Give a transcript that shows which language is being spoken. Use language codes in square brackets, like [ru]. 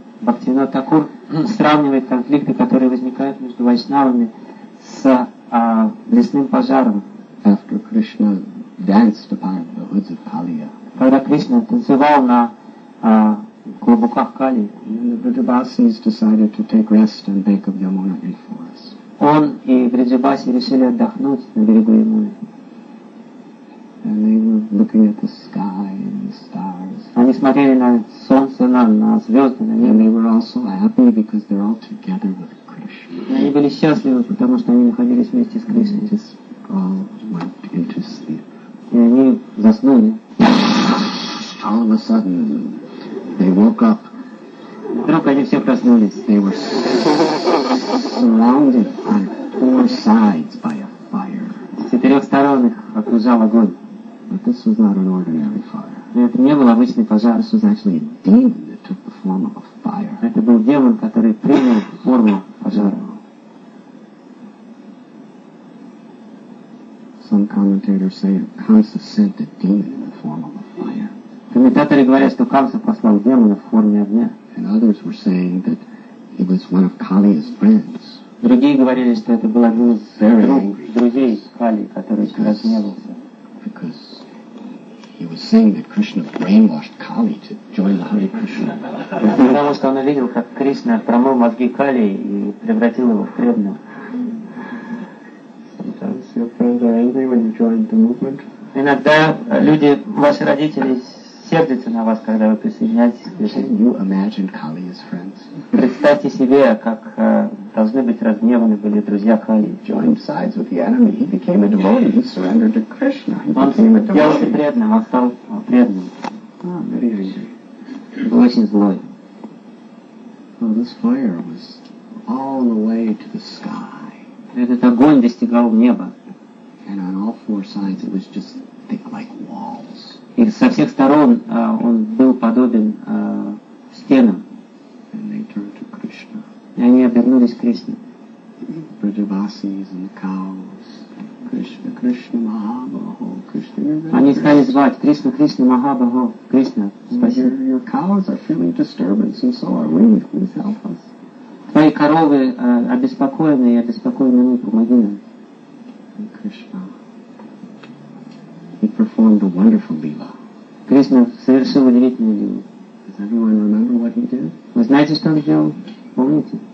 [ru] Бхактивинода Такур сравнивает конфликты, которые возникают между вайшнавами, с лесным пожаром. [en] After Krishna danced upon the hoods of Kaliya. [ru] Когда Кришна танцевал на клубуках Кали. [en] And the Vrijabhasis decided to take rest on bank of Yamuna in forest. [ru] Он и Vrijabhasi решили отдохнуть на берегу Ямуны. [en] And they were looking at the sky and the stars. [ru] Они смотрели на солнце, на звезды, на небо. [en] And they were also happy because they're all together with [ru] они были счастливы, потому что они находились вместе с Кришной. [en] They all went into sleep. [ru] И они заснули. [en] All of a sudden, they woke up. [ru] Вдруг они все проснулись. [en] They were surrounded on four sides by a fire. [ru] С четырех сторон их окружал огонь. [en] But this was not an ordinary fire. [ru] Но это не был обычный пожар, [en] this was actually a demon that took the form of a fire. [ru] Это был демон, который принял форму пожара. [en] Some commentators say Kamsa sent a demon in the form of a fire. [ru] Комментаторы говорят, что Камса послал демона в форме огня. [en] And others were saying that it was one of Kaliya's friends. [ru] Другие говорили, что это был один из друзей Кали, который разгневался. [en] Because he was saying that Krishna brainwashed Kali to join the Hare Krishna. [ru] Потому что он увидел, как Кришна промыл мозги Кали и превратил его в преданного. [en] Sometimes your friends are angry when you join the movement. [ru] Иногда люди, ваши родители, сердятся на вас, когда вы присоединяетесь к [en] Кришне. You imagine Kali as friends? [ru] Представьте себе, как должны быть разгневаны были друзья Кали. [en] He joined sides with the enemy. He became a devotee. He surrendered to Krishna. [ru] Он стал преданным. [en] Very angry. [ru] Очень злой. [en] Well, this fire was all the way to the sky. [ru] Этот огонь достигал неба. [en] And on all four sides it was just thick like walls. [ru] И со всех сторон он был подобен стенам. [en] And they turned to Krishna. [ru] И они обернулись к Кришне. [en] Bridavasis and the cows. Krishna, Krishna, Mahabaho, Krishna, you're ready. [ru] Они стали звать Кришна, Кришна, Махабхо, Кришна, спаси. [en] Your cows are feeling disturbance and so are we. Please help us. [ru] Твои коровы обеспокоены и обеспокоены мы, помоги нам. [en] Кришна. He performed a wonderful lila. [ru] Krishna совершил удивительную лилу. [en] Does everyone remember what he did? [ru] Вы знаете, что он сделал? Помните?